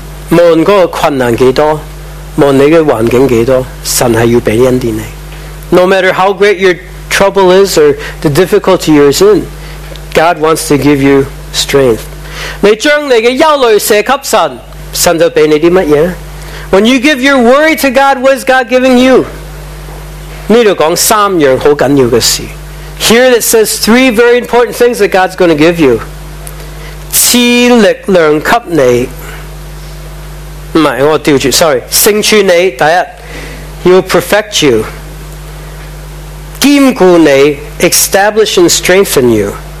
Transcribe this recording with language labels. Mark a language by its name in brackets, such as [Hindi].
[Chinese] 无论那个困难多少，无论你的环境多少，神是要给恩典你。 [English] No matter how great your trouble is or the difficulty you're in, God wants to give you strength. [Chinese] 你将你的忧虑射给神，神就给你什么？ [English] When you give your worry to God, what is God giving you? [Chinese] 这里讲三样很重要的事。 [English] Here it says three very important things that God's going to give you. [Chinese] 赐力量给你，不是，我调转， [English] sorry， [Chinese] 成全你，第一， [English] He'll perfect you， [Chinese] 坚固你， [English] establish and strengthen you。